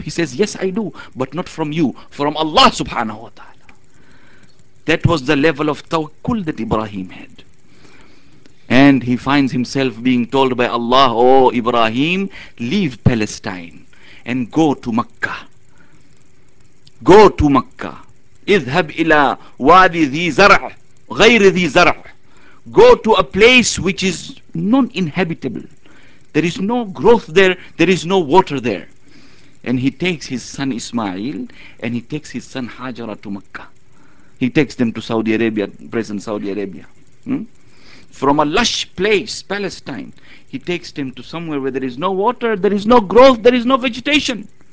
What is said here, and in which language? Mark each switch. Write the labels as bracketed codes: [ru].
[en] He says, yes I do, but not from you, from Allah subhanahu wa ta'ala. That was the level of tawakkul that Ibrahim had. And he finds himself being told by Allah, "Oh Ibrahim, leave Palestine and go to Makkah. Go to Makkah. [ar] اذهب إلى وادي ذي زرع غير ذي زرع. [en] Go to a place which is non-inhabitable. There is no growth there. There is no water there." And he takes his son Ismail and he takes his son Hajra to Makkah. He takes them to Saudi Arabia, present Saudi Arabia. From a lush place, Palestine, he takes them to somewhere where there is no water, there is no growth, there is no vegetation.